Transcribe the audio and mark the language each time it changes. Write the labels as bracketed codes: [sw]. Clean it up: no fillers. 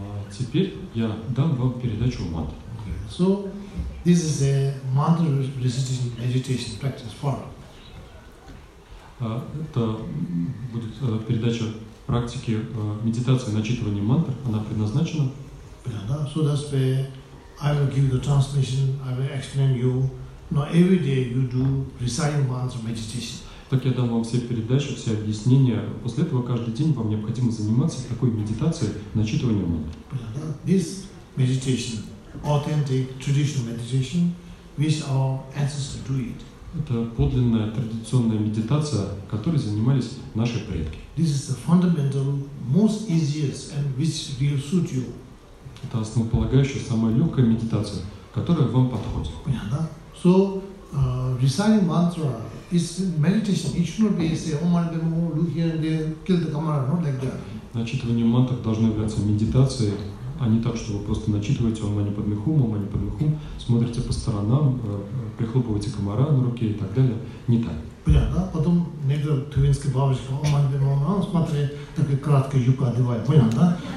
[ru] Теперь я дам вам передачу мантры. [en] So this is a mantra recitation meditation practice for. [ru] Это будет передача практики медитации начитывания мантр. Она предназначена. [en] So that's where I will give the transmission, I will explain you. Now every day you do reciting mantra meditation. [ru] Так я дам вам все передачи, все объяснения. После этого каждый день вам необходимо заниматься такой медитацией, начитыванием мантр. [en] This meditation, authentic traditional meditation, which our ancestors do it. [ru] Это подлинная традиционная медитация, которой занимались наши предки. [en] This is the fundamental, most easiest, and which will suit you. [ru] Это основополагающая, самая легкая медитация, которая вам подходит. Понятно? [en] So, reciting mantra is meditation. It should not be say, oh, my God, look here and there, kill the camera, not like that. [ru] Начитывание мантр должно являться медитацией, а не так, что вы просто начитываете омани падме хум, смотрите по сторонам, прихлопываете комара на руке и так далее. Не так. Понятно? Потом некоторые тувинские бабочки, смотри, так и краткая юбка одевает. Понятно?